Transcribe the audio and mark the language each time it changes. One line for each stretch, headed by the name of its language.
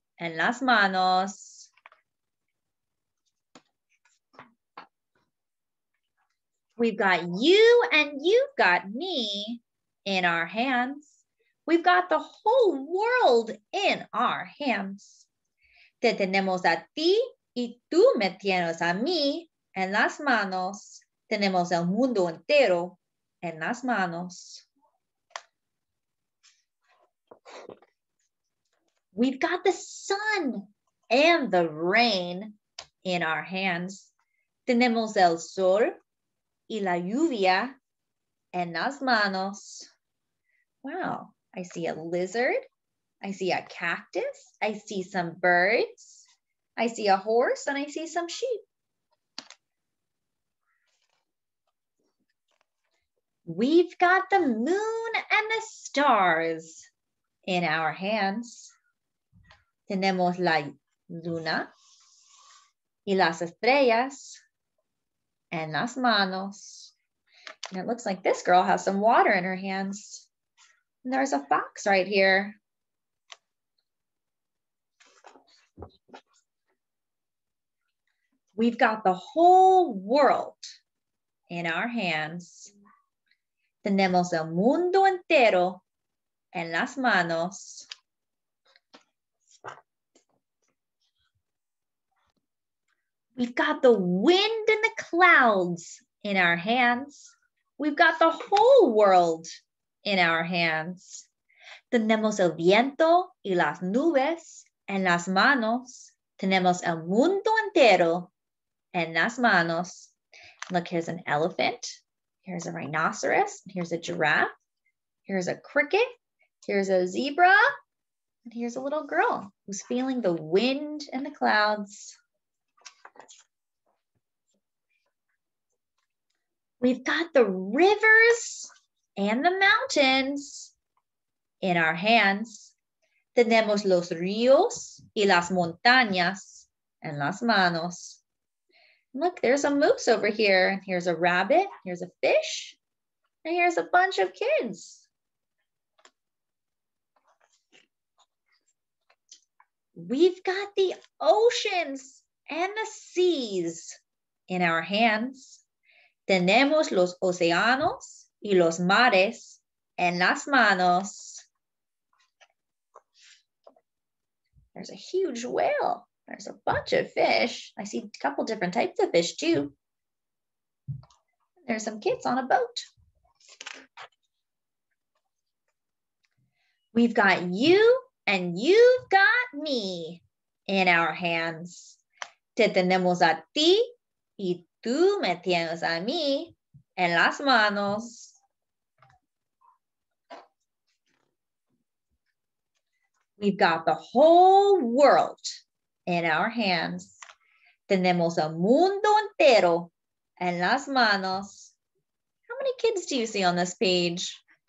Spanish: En las manos.
English: We've got you and you've got me in our hands. We've got the whole world in our hands.
Spanish: Te tenemos a ti y tú me tienes a mí en las manos. Tenemos el mundo entero en las manos.
English: We've got the sun and the rain in our hands.
Spanish: Tenemos el sol y la lluvia en las manos.
English: Wow, I see a lizard. I see a cactus. I see some birds. I see a horse and I see some sheep. We've got the moon and the stars in our hands.
Spanish: Tenemos la luna y las estrellas en las manos.
English: And it looks like this girl has some water in her hands. And there's a fox right here. We've got the whole world in our hands.
Spanish: Tenemos el mundo entero en las manos.
English: We've got the wind and the clouds in our hands. We've got the whole world in our hands.
Spanish: Tenemos el viento y las nubes en las manos. Tenemos el mundo entero en las manos.
English: Look, here's an elephant. Here's a rhinoceros. Here's a giraffe. Here's a cricket. Here's a zebra. And here's a little girl who's feeling the wind and the clouds. We've got the rivers and the mountains in our hands.
Spanish: Tenemos los ríos y las montañas en las manos.
English: Look, there's a moose over here. Here's a rabbit, here's a fish, and here's a bunch of kids. We've got the oceans and the seas in our hands.
Spanish: Tenemos los océanos y los mares en las manos.
English: There's a huge whale. There's a bunch of fish. I see a couple different types of fish too. There's some kids on a boat. We've got you and you've got me in our hands.
Spanish: Te tenemos a ti y tú me tienes a mí en las manos.
English: We've got the whole world in our hands.
Spanish: Tenemos el mundo entero en las manos.
English: How many kids do you see on this page?